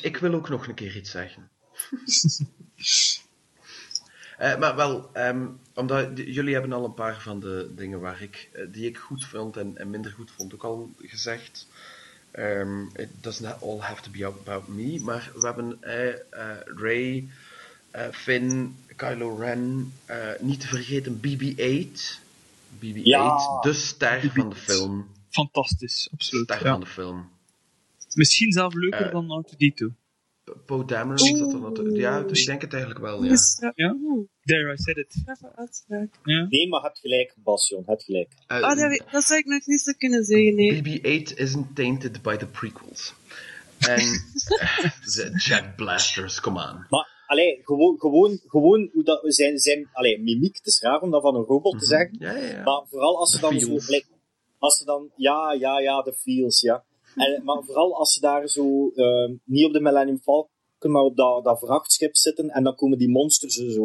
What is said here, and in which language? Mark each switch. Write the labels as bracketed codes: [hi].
[nl] Ik wil ook nog een keer iets zeggen. maar wel, omdat jullie hebben al een paar van de dingen waar ik die ik goed vond en minder goed vond ook al gezegd. [en] It does not all have to be about me. [nl] Maar we hebben Rey, Finn, Kylo Ren, niet te vergeten BB-8. BB-8, ja, de ster BB-8. Van de film. Fantastisch, absoluut. De ster, ja, van de film. Misschien zelf leuker dan R2-D2. Poe Dameron, is dat dan dat? Ja, ik denk het eigenlijk wel, ja. [en] Ja. There, I said it. [nl] Ja. Nee, maar het gelijk, Bas, jong, het gelijk. Dat zou ik nog niet zo kunnen zeggen, nee. [en] BB-8 isn't tainted by the prequels. En Jet Blasters, come on. [nl] Maar, allee, gewoon hoe dat zijn allee, mimiek, het is raar om dat van een robot te zeggen. Ja, ja, ja. Maar vooral als ze dan zo... Als ze dan... Ja, de feels, ja. En, maar vooral als ze daar zo, niet op de Millennium Falcon, maar op dat vrachtschip zitten, en dan komen die monsters er zo.